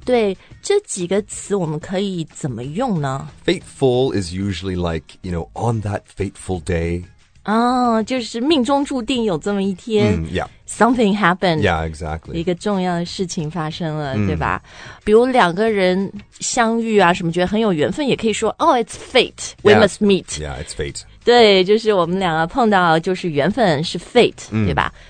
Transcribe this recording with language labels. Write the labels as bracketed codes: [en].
[zh] 对，这几个词我们可以怎么用呢？ [en] Fateful is usually like, you know, on that fateful day. [zh] 哦，就是命中注定有这么一天。 [en] Yeah. Something happened. Yeah, exactly. [zh] 一个重要的事情发生了，对吧？比如两个人相遇啊，什么觉得很有缘分，也可以说 [en] Oh, it's fate. We must meet. Yeah, it's fate. [zh] 对，就是我们两个碰到就是缘分是 fate,对吧？